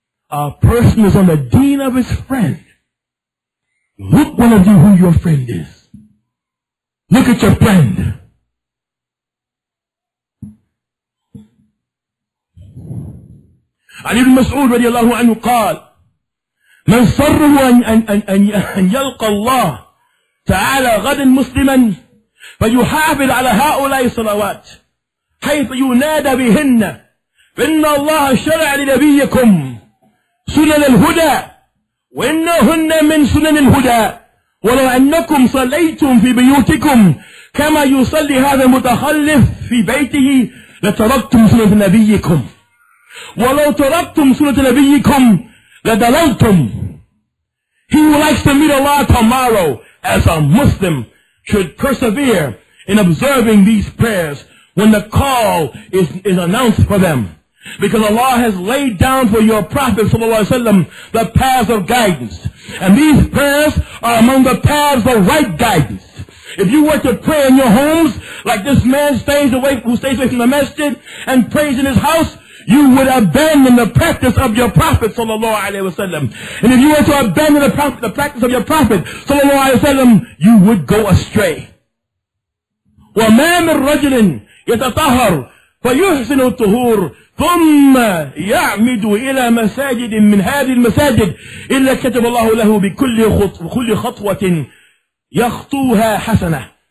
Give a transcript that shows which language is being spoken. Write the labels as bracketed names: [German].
[English] A person is on the deen of his friend. Look one of you who your friend is. Look at your friend. [Arabic] علي بن مسعود رضي الله عنه قال من صره أن يلقى الله تعالى غدا مسلما فيحافظ على هؤلاء الصلوات حيث ينادى بهن فإن الله شرع لنبيكم سنن الهدى وإنهن من سنن الهدى ولو أنكم صليتم في بيوتكم كما يصلي هذا المتخلف في بيته لتركتم سنة نبيكم ولو تركتم سنة نبيكم لدللتم. [English] He who likes to meet Allah tomorrow as a Muslim should persevere in observing these prayers when the call is announced for them. Because Allah has laid down for your Prophet ﷺ the paths of guidance. And these prayers are among the paths of right guidance. If you were to pray in your homes, like this man stays away, who stays away from the masjid and prays in his house, you would abandon the practice of your Prophet sallallahu alaihi wasallam. And if you were to abandon the practice of your Prophet sallallahu alaihi wasallam, you would go astray. [Arabic] وما من رجل يتطهر فيحسن الطهور ثم يعمد إلى مساجد من هذه المساجد إلا كتب الله له بكل خطوة يخطوها حسنة